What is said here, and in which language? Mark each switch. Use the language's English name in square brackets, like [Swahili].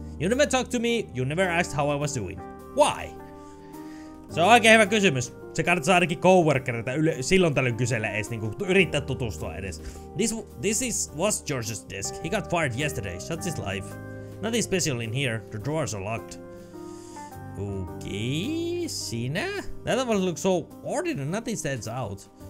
[English] You never talked to me, you never asked how I was doing. Why? [Finnish] Se on oikein hyvä kysymys. Se kannattaa ainakin coworkereita silloin tällöin kysellä edes, niinku yrittää tutustua edes. [English] This was George's desk. He got fired yesterday. Such is life. Nothing special in here. The drawers are locked. Okay, Sina? That one looks so ordinary, nothing stands out.